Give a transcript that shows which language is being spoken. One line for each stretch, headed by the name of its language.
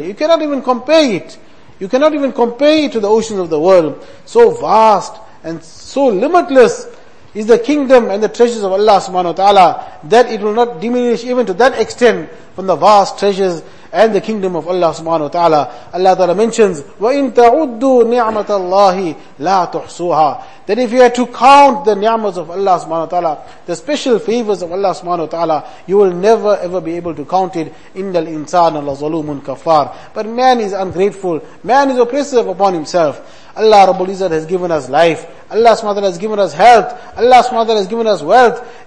English: You cannot even compare it. You cannot even compare it to the oceans of the world. So vast And so limitless is the kingdom and the treasures of Allah subhanahu wa ta'ala that it will not diminish even to that extent from the vast treasures and the kingdom of Allah subhanahu wa ta'ala. Allah ta'ala mentions,
Arabic: وَإِن تَعُدُّوا نِعْمَةَ اللَّهِ لَا تُحْصُوهَا.
English: That if you had to count the ni'mas of Allah subhanahu wa ta'ala, the special favors of Allah subhanahu wa ta'ala, you will never ever be able to count it.
Arabic: إِنَّ الْإِنسَانَ لَظَلُومٌ كَفَّارٌ.
English: But man is ungrateful. Man is oppressive upon himself. Allah Rabbul Izzat has given us life. Allah subhanahu wa ta'ala has given us health. Allah subhanahu wa ta'ala has given us wealth.